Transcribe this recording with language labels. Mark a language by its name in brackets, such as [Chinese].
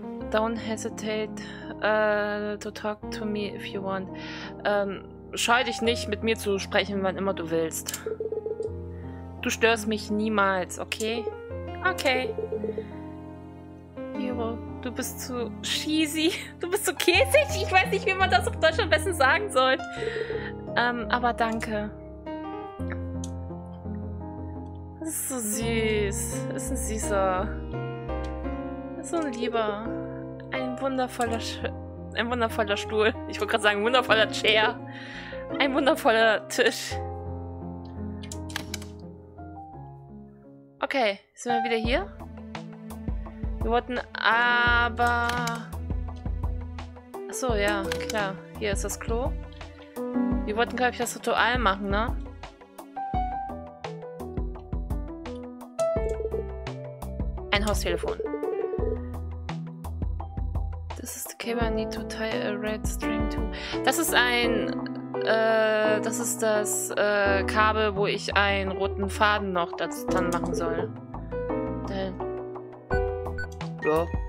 [English] Don't hesitate to talk to me if you want. [German] Scheu dich nicht, mit mir zu sprechen, wann immer du willst. Du störst mich niemals, okay? Okay. Du bist zu cheesy. Du bist zu käsig. Ich weiß nicht, wie man das auf Deutsch am besten sagen soll. Aber danke. Das ist so süß. Das ist ein süßer. Das ist so ein lieber. Ein wundervoller Stuhl. Ich wollte gerade sagen, ein wundervoller Chair. Ein wundervoller Tisch. Okay, sind wir wieder hier? Wir wollten aber... Achso, ja, klar. Hier ist das Klo. Wir wollten, glaube ich, das Ritual machen, ne? Ein Haustelefon. [English] This is the cable I need to tie a red string to. [German] Das ist ein... das ist das Kabel, wo ich einen roten Faden noch dazu dann machen soll. Ja.